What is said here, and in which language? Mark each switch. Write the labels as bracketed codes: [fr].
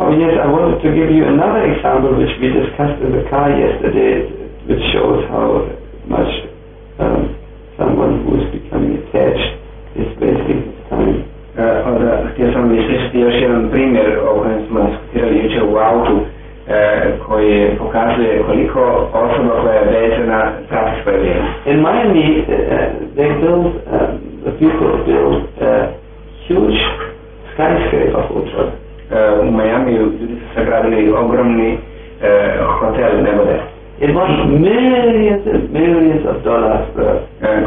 [en] Yes, I wanted to give you another example which we discussed in the car yesterday, which shows how much someone who is becoming attached is wasting his time. [hr] Htio sam ispričati još jedan primjer o kojem smo diskutirali jučer u autu, koji pokazuje koliko osoba koja je vezana trati svoje vrijeme. [en] In Miami, the people build a huge skyscraper hotel. [hr] U Miami ljudi su sagradili ogromni hotel nebode. [en] It was millions and millions of dollars worth.